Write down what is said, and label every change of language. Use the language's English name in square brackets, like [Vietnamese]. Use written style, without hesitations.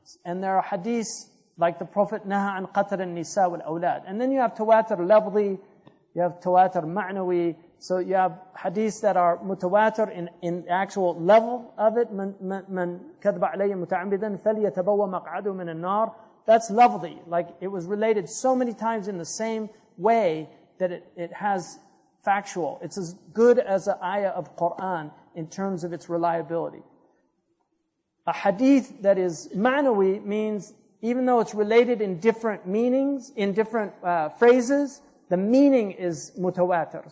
[English] And there are hadiths like the Prophet naha an qatr al-nisa wal-awlad. And then you have tawatir lafzi, you have tawatir ma'nawi. So you have hadiths that are mutawatir in actual level of it. [Arabic] من كذب علي متعمدا فليتبوى مقعده من النار. [English] That's lafzi. Like it was related so many times in the same way that it has factual. It's as good as the ayah of Quran in terms of its reliability. A hadith that is ma'nawi means even though it's related in different meanings, in different phrases, the meaning is mutawatir.